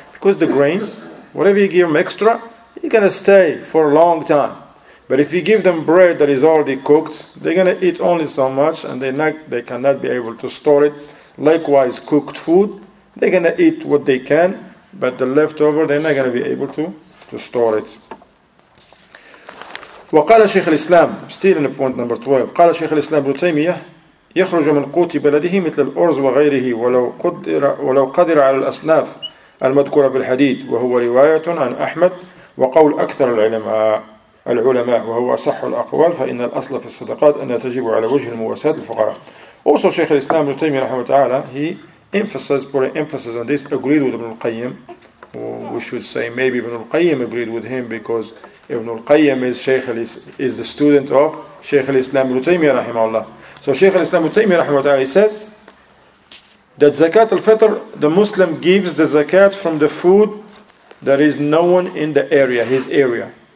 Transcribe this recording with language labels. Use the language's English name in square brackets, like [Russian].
[English] Because the grains, whatever you give them extra, you're going to stay for a long time. But if you give them bread that is already cooked, they're going to eat only so much, and they cannot be able to store it. Likewise, cooked food, they're going to eat what they can, but the leftover, they're not going to be able to store it. [Arabic] وقال شيخ الإسلام [English] still in point number 12 [Arabic] قال شيخ الإسلام ابن تيمية يخرج من قوت بلده مثل الأرز وغيره ولو قدر على الأصناف المذكورة بالحديد وهو رواية عن أحمد وقول أكثر العلماء وهو صح الأقوال فإن الأصل في الصدقات أن تجب على وجه المواساة الفقراء. [English] Also شيخ الإسلام ابن تيمية رحمه تعالى he emphasizes put an emphasis on this agreed with ابن القيم. We should say maybe Ibn al-Qayyim agreed with him because Ibn al-Qayyim is the student of Shaykh al-Islam ibn Taymiyyah rahimahullah. So Shaykh al-Islam ibn Taymiyyah rahimahullah says that zakat al-fitr, the Muslim gives the zakat from the food that is known in the area, his area.